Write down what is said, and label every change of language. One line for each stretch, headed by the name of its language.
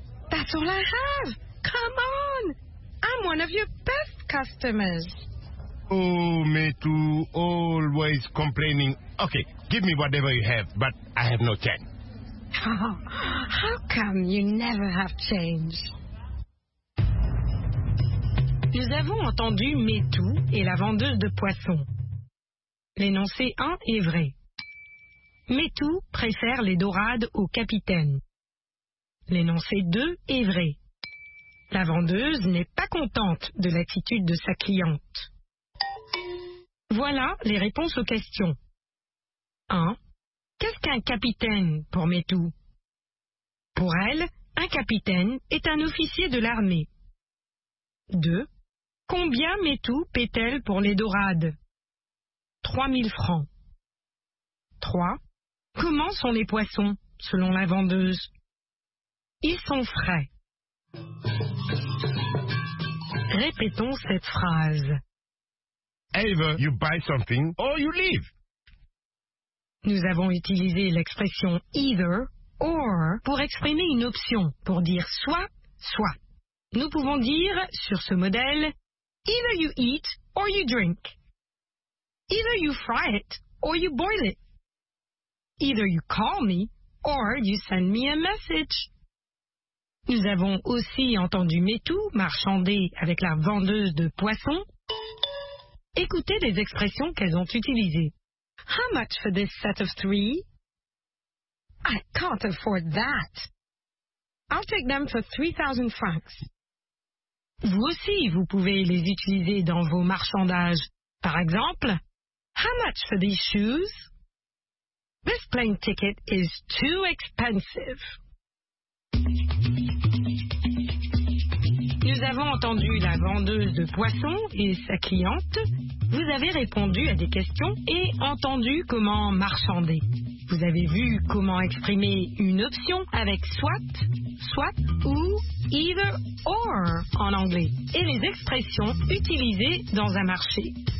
English: That's all I have. Come on. I'm one of your best customers. Oh, me too. Always complaining. Okay, give me whatever you have, but I have no change. How come you never have change?
French: Nous avons entendu Metou et la vendeuse de poissons. L'énoncé 1 est vrai. Metou préfère les dorades au capitaine. L'énoncé 2 est vrai. La vendeuse n'est pas contente de l'attitude de sa cliente. Voilà les réponses aux questions. 1. Qu'est-ce qu'un capitaine pour Metou? Pour elle, un capitaine est un officier de l'armée. 2. Combien Metou paie-t-elle pour les dorades? 3000 francs. 3. Comment sont les poissons, selon la vendeuse? Ils sont frais. Répétons cette phrase.
English: Either you buy something or you leave.
French: Nous avons utilisé l'expression either or pour exprimer une option, pour dire soit, soit. Nous pouvons dire, sur ce modèle,
English: either you eat or you drink. Either you fry it or you boil it. Either you call me or you send me a message.
French: Nous avons aussi entendu Metou marchander avec la vendeuse de poissons. Écoutez les expressions qu'elles ont utilisées.
English: How much for this set of three? I can't afford that. I'll take them for 3,000 francs.
French: Vous aussi, vous pouvez les utiliser dans vos marchandages. Par exemple,
English: how much for these shoes? This plane ticket is too expensive.
French: Nous avons entendu la vendeuse de poissons et sa cliente. Vous avez répondu à des questions et entendu comment marchander. Vous avez vu comment exprimer une option avec soit, soit ou either or en anglais et les expressions utilisées dans un marché.